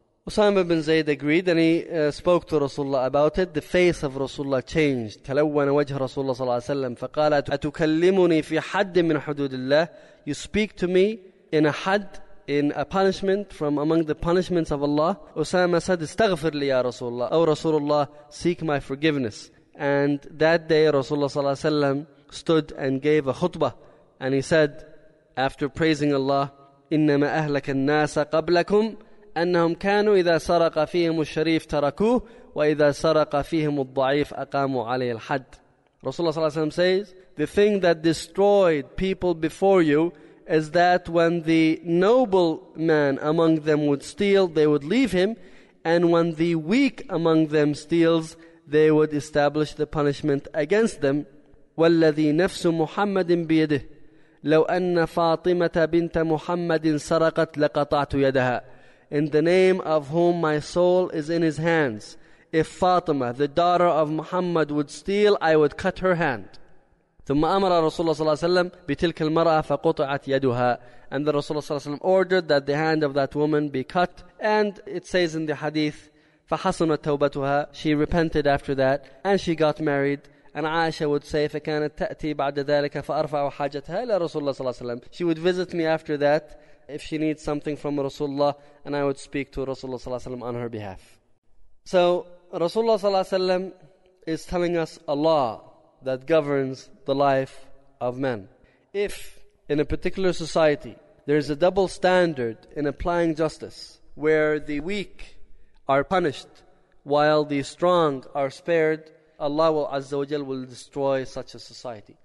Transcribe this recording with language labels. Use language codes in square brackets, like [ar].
[en] Usama bin Zayd agreed, and he spoke to Rasulullah about it. The face of Rasulullah changed. [ar] تَلَوَّنَ وَجْهَ رَسُولَ صَلَّى اللَّهُ عَلَيْهِ وَسَلَّمَ فَقَالَ أَتُكَلِّمُنِي فِي حَدٍ مِّنْ حُدُودِ اللَّهِ [en] You speak to me in a had, in a punishment from among the punishments of Allah. Usama said, [ar] استغفر لي يا رسول الله. [en] Oh Rasulullah, seek my forgiveness. And that day Rasulullah صلى الله عليه وسلم stood and gave a khutbah. And he said, after praising Allah, [ar] إِنَّمَا أَهْلَكَ النَّاسَ قَبْلَكُمْ أنهم كانوا إذا سرق فيهم الشريف تركوه وإذا سرق فيهم الضعيف أقاموا عليه الحد. [en] Rasulullah صلى الله عليه وسلم says, the thing that destroyed people before you is that when the noble man among them would steal, they would leave him, and when the weak among them steals, they would establish the punishment against them. [ar] والذي نفس محمد بيده لو أن فاطمة بنت محمد سرقت لقطعت يدها. [en] In the name of whom my soul is in his hands, if Fatima, the daughter of Muhammad, would steal, I would cut her hand. [ar] ثم أمر رسول الله صلى الله عليه وسلم بتلك المرأة فقطعت يدها. [en] And the Rasulullah صلى الله عليه وسلم ordered that the hand of that woman be cut. And it says in the hadith, [ar] فحسنت توبتها. [en] She repented after that and she got married. And Aisha would say, [ar] فكانت تأتي بعد ذلك فأرفع حاجتها إلى رسول الله صلى الله عليه وسلم. [en] She would visit me after that if she needs something from Rasulullah, and I would speak to Rasulullah صلى الله عليه وسلم on her behalf. So Rasulullah صلى الله عليه وسلم is telling us a law that governs the life of men. If in a particular society there is a double standard in applying justice, where the weak are punished while the strong are spared, Allah will Azza wa Jal will destroy such a society.